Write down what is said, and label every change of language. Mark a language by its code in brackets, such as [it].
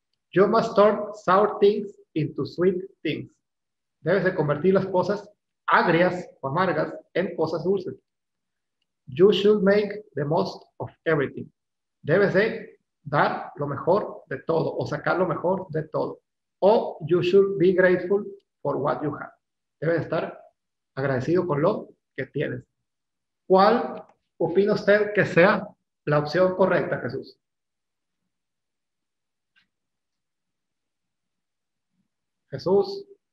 [en] You must turn sour things into sweet things. [es] Debes de convertir las cosas agrias o amargas en cosas dulces. [en] You should make the most of everything. [es] Debes de dar lo mejor de todo o sacar lo mejor de todo. [en] O you should be grateful for what you have. [es] Debes estar agradecido con lo que tienes. ¿Cuál opina usted que sea la opción correcta, Jesús? Jesús.